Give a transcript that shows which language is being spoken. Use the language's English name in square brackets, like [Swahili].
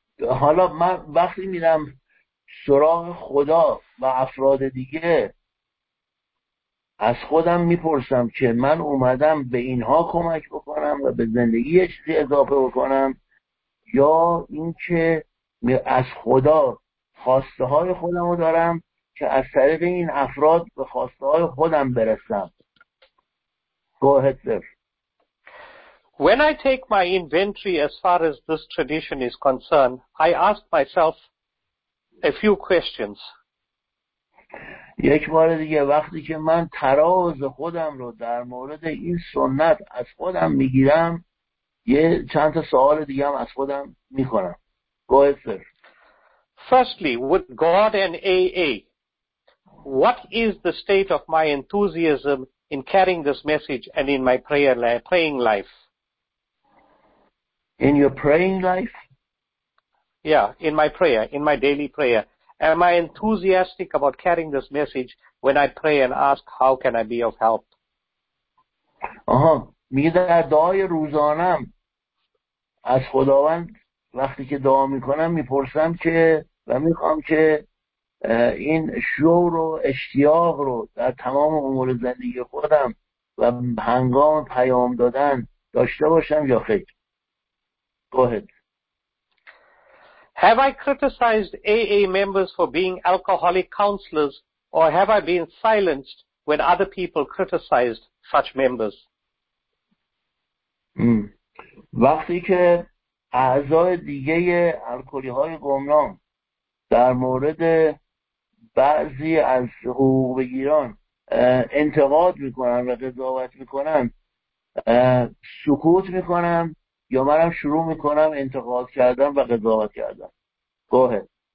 [Persian] حالا من وقتی میرم سراغ خدا و افراد دیگه از خودم میپرسم که من اومدم به اینها کمک بکنم و به زندگی یه چیزی اضافه بکنم یا اینکه از خدا خواسته های خودم رو دارم که از طریق این افراد به خواسته های خودم برسم. [English] Go ahead, sir. When I take my inventory as far as this tradition is concerned, I ask myself a few questions. [Persian] یک بار دیگه وقتی که من تراز خودم رو در مورد این سنت از خودم میگیرم یه چند تا سوال دیگه هم از خودم میکنم. [English] Go ahead, sir. Firstly, with God and AA, what is the state of my enthusiasm in carrying this message and in my prayer life, praying life? In your praying life? Yeah, in my prayer, in my daily prayer. Am I enthusiastic about carrying this message when I pray and ask, how can I be of help? [Persian] می در دعای روزانم از خداوند وقتی که دعا میکنم میپرسم که و میخوام که این شور و اشتیاق رو در تمام امور زندگی خودم و هنگام پیام دادن داشته باشم یا خیر. [English] Go ahead. Have I criticized AA members for being alcoholic counselors, or have I been silenced when other people criticized such members? [Persian] وقتی که اعضای دیگه الکلی های گمنام در مورد بعضی از حقوق بگیران انتقاد میکنن و قضاوت میکنن سکوت میکنم یا منم شروع میکنم انتقاد کردن و قضاوت کردن؟ [English] Go ahead.